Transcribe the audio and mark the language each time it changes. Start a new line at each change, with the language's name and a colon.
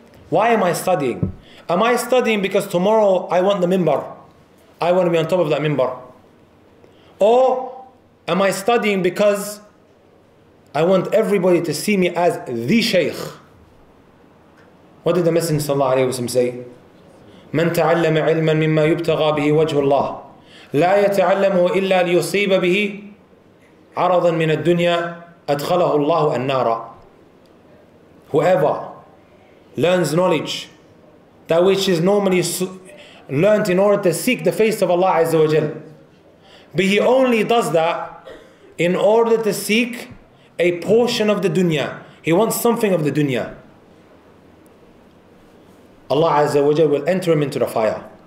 English: Why am I studying? Am I studying because tomorrow I want the minbar? I want to be on top of that minbar. Or am I studying because I want everybody to see me as the shaykh? What did the Messenger sallallahu alayhi wa sallam say?
Arabic: من تعلم علما مما يبتغى به وجه الله لا يتعلمه إلا ليصيب به عرضا من الدنيا أدخله الله النار.
English: Whoever learns knowledge that which is normally learnt in order to seek the face of Allah Azza wa Jal, but he only does that in order to seek a portion of the dunya, he wants something of the dunya, Allah Azza wa Jal will enter him into the fire.